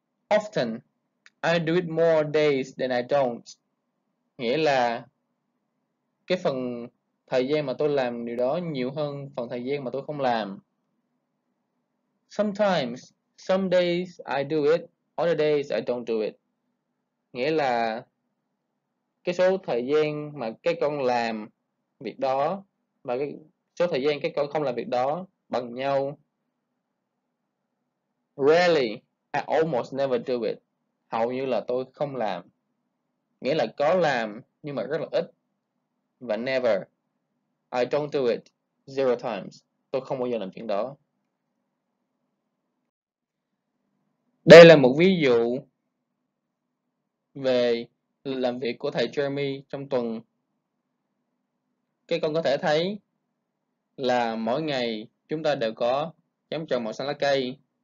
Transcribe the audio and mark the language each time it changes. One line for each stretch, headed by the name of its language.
English: Often, I do it more days than I don't.
Vietnamese: Nghĩa là cái phần thời gian mà tôi làm điều đó nhiều hơn phần thời gian mà tôi không làm.
English: Sometimes, some days I do it, other days I don't do it.
Vietnamese: Nghĩa là cái số thời gian mà các con làm việc đó và cái số thời gian các con không làm việc đó bằng nhau.
English: Rarely, I almost never do it.
Vietnamese: Hầu như là tôi không làm. Nghĩa là có làm nhưng mà rất là ít.
English: Và never, I don't do it zero times.
Vietnamese: Tôi không bao giờ làm chuyện đó. Đây là một ví dụ về làm việc của thầy Jeremy trong tuần. Các con có thể thấy là mỗi ngày chúng ta đều có chấm tròn màu xanh lá cây.